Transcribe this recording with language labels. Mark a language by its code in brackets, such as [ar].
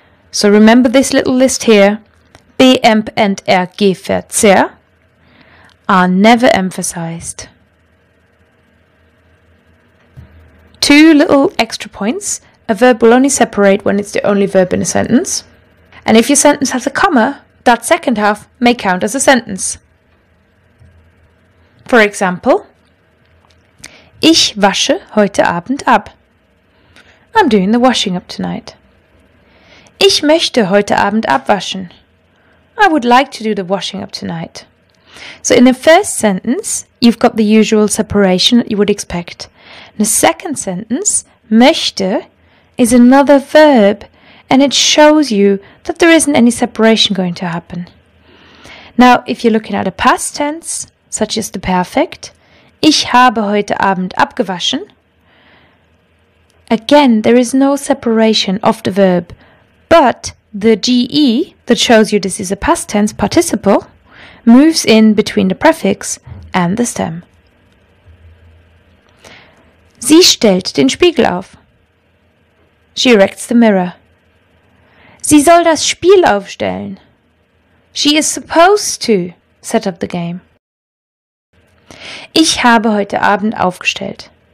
[en] So remember this little list here. Beemp and ergverzehr are never emphasized. Two little extra points. A verb will only separate when it's the only verb in a sentence. And if your sentence has a comma, that second half may count as a sentence. For example, [de] ich wasche heute Abend ab. [en] I'm doing the washing up tonight. [de] Ich möchte heute Abend abwaschen. [en] I would like to do the washing up tonight. So in the first sentence, you've got the usual separation that you would expect. In the second sentence, möchte is another verb, and it shows you that there isn't any separation going to happen. Now, if you're looking at a past tense, such as the perfect, [de] ich habe heute Abend abgewaschen, [en] again, there is no separation of the verb. But the GE that shows you this is a past tense participle moves in between the prefix and the stem. [de] Sie stellt den Spiegel auf. [en] She erects the mirror. [de] Sie soll das Spiel aufstellen. [en] She is supposed to set up the game. [de] Ich habe heute Abend aufgestellt.